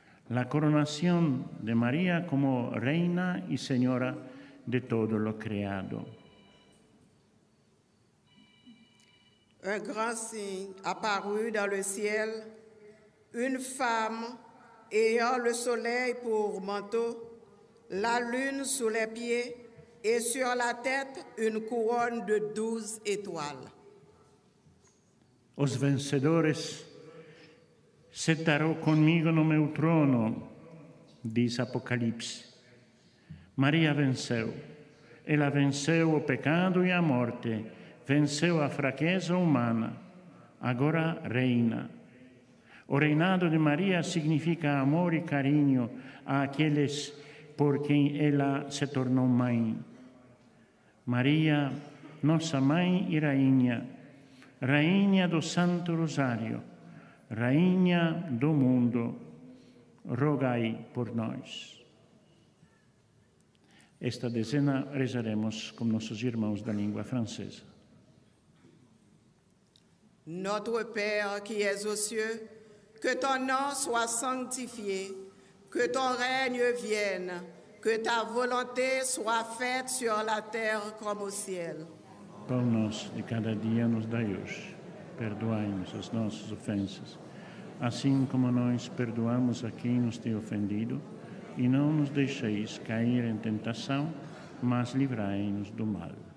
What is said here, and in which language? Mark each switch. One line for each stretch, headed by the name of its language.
Spanish: La coronación de Maria como reina y señora de todo lo creado.
French: Un grand signe apparut dans le ciel, une femme ayant le soleil pour manteau, la lune sous les pieds et sur la tête une couronne de 12 étoiles.
Portuguese: Os vencedores sentarão comigo no meu trono, diz Apocalipse. Maria venceu. Ela venceu o pecado e a morte, venceu a fraqueza humana, agora reina. O reinado de Maria significa amor e carinho àqueles por quem ela se tornou mãe. Maria, nossa mãe e rainha, rainha do Santo Rosário, rainha do mundo, rogai por nós. Esta dezena rezaremos com nossos irmãos da língua francesa.
French: Notre Père qui es aux cieux, que ton nom soit sanctifié, que ton règne vienne, que ta volonté soit faite sur la terre comme au ciel.
Portuguese: Pão nosso de cada dia nos dai hoje. Perdoai-nos as nossas ofensas, assim como nós perdoamos a quem nos tem ofendido, e não nos deixeis cair em tentação, mas livrai-nos do mal.